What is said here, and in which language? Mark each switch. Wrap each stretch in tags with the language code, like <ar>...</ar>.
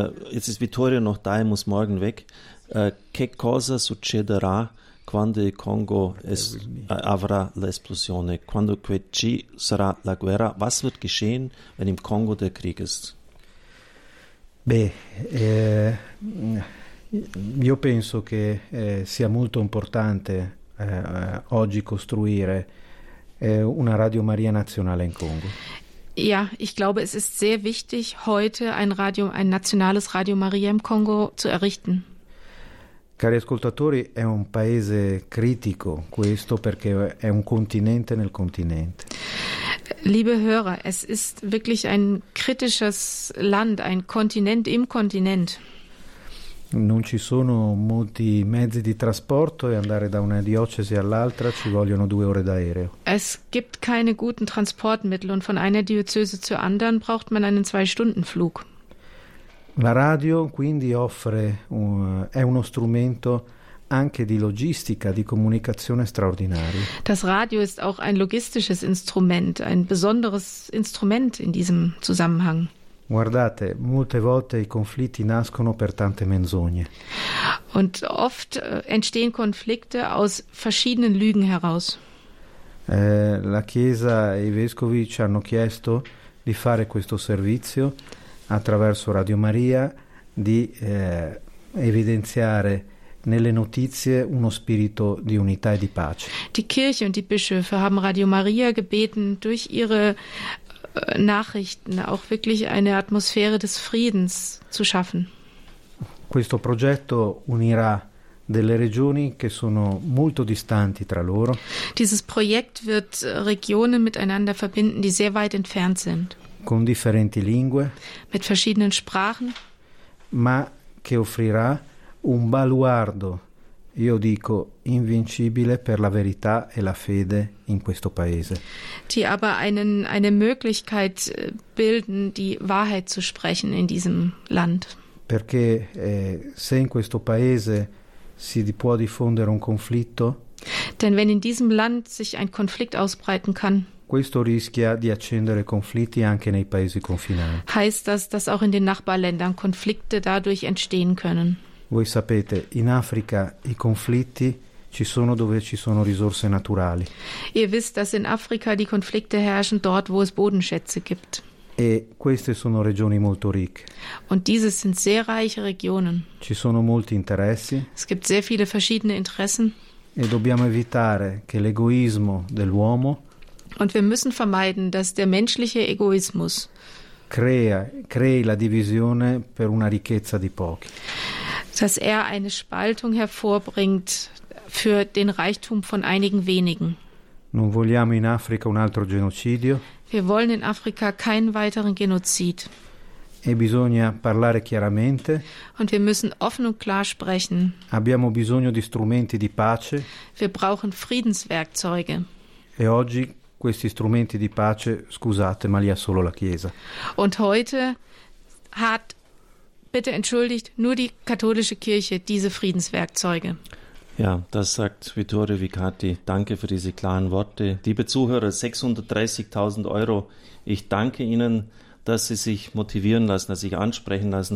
<de>Jetzt ist Vittorio noch da, er muss morgen weg.</de> <it>Che cosa succederà quando il Congo avrà l'esplosione? Quando qui ci sarà la guerra?</it> <de>Was wird geschehen, wenn im Kongo der Krieg ist?</de> <it>Io penso che sia molto importante oggi costruire una Radio Maria nazionale in Congo.</it> <de>Ja, ich glaube, es ist sehr wichtig, heute ein nationales Radio Maria im Kongo zu errichten.</de> <it>Cari ascoltatori, è un paese critico questo perché è un continente nel continente.</it> <de>Liebe Hörer, es ist wirklich ein kritisches Land, ein Kontinent im Kontinent.</de> <it>Non ci sono molti mezzi di trasporto e andare da una diocesi all'altra ci vogliono 2 ore d'aereo.</it> <de>Es gibt keine guten Transportmittel und von einer Diözese zur anderen braucht man einen 2-Stunden-Flug.</de> <it>La radio quindi offre è uno strumento anche di logistica, di comunicazione straordinario.</it> <de>Das Radio ist auch ein logistisches Instrument, ein besonderes Instrument in diesem Zusammenhang.</de> <it>Guardate, molte volte i conflitti nascono per tante menzogne.</it> <de>Und oft entstehen Konflikte aus verschiedenen Lügen heraus.</de> <it>La Chiesa e i Vescovi ci hanno chiesto di fare questo servizio attraverso Radio Maria, di evidenziare nelle notizie uno spirito di unità e di pace.</it> <de>Die Kirche und die Bischöfe haben Radio Maria gebeten, durch ihre Nachrichten auch wirklich eine Atmosphäre des Friedens zu schaffen.</de> <it>Questo progetto unirà delle regioni che sono molto distanti tra loro.</it> <de>Dieses Projekt wird Regionen miteinander verbinden, die sehr weit entfernt sind.</de> <it>Con differenti lingue.</it> <de>Mit verschiedenen Sprachen.</de> <it>Ma che offrirà un baluardo, io dico, invincibile per la verità e la fede in questo paese.</it> <de>Die aber eine Möglichkeit bilden, die Wahrheit zu sprechen in diesem Land.</de> <it>Perché se in questo paese si può diffondere un conflitto.</it> <de>Denn wenn in diesem Land sich ein Konflikt ausbreiten kann.</de> <it>Questo rischia di accendere conflitti anche nei paesi confinanti.</it> <de>Heißt das, dass auch in den Nachbarländern Konflikte dadurch entstehen können?</de> <it>Voi sapete, in Africa i conflitti ci sono dove ci sono risorse naturali.</it> <de>Ihr wisst, dass in Afrika die Konflikte herrschen dort, wo es Bodenschätze gibt.</de> <it>E queste sono regioni molto ricche.</it> <de>Und diese sind sehr reiche Regionen.</de> <it>Ci sono molti interessi.</it> <de>Es gibt sehr viele verschiedene Interessen.</de> <it>E dobbiamo evitare che l'egoismo dell'uomo.</it> <de>Und wir müssen vermeiden, dass der menschliche Egoismus</de> <it>crei la divisione per una ricchezza di pochi.</it> <de>Dass er eine Spaltung hervorbringt für den Reichtum von einigen wenigen.</de> <it>Non vogliamo in Africa un altro genocidio.</it> <de>Wir wollen in Afrika keinen weiteren Genozid.</de> <it>E bisogna parlare chiaramente.</it> <de>Und wir müssen offen und klar sprechen.</de> <it>Abbiamo bisogno di strumenti di pace.</it> <de>Wir brauchen Friedenswerkzeuge.</de> <it>E oggi questi strumenti di pace, scusate, ma li ha solo la Chiesa.</it> <de>Und heute hat, bitte entschuldigt, nur die katholische Kirche diese Friedenswerkzeuge. Ja, das sagt Vittorio Vicati. Danke für diese klaren Worte. Liebe Zuhörer, 630.000 Euro. Ich danke Ihnen, dass Sie sich motivieren lassen, dass Sie sich ansprechen lassen.</de>